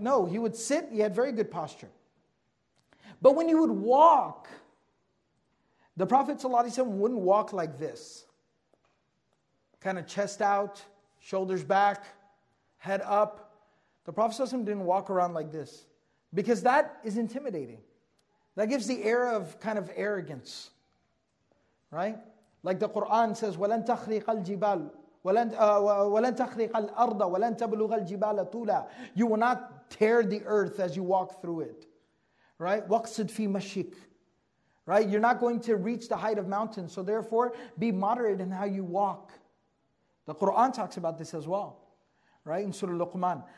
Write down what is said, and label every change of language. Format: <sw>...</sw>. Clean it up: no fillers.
<en>No, he would sit, he had very good posture. But when he would walk, the Prophet ﷺ wouldn't walk like this. Kind of chest out, shoulders back, head up. The Prophet ﷺ didn't walk around like this. Because that is intimidating. That gives the air of kind of arrogance. Right? Like the Quran says,</en> <ar>وَلَن تَخْرِقَ الْجِبَالَ وَلَن تَخْرِقَ الْأَرْضَ وَلَن تَبْلُغَ الْجِبَالَ طُولًا.</ar> <en>You will not tear the earth as you walk through it. Right?</en> <ar>وَقْصِدْ فِي مَشِّكْ. Right?</ar> <en>You're not going to reach the height of mountains. So therefore, be moderate in how you walk. The Quran talks about this as well. Right, in Surah Luqman.</en>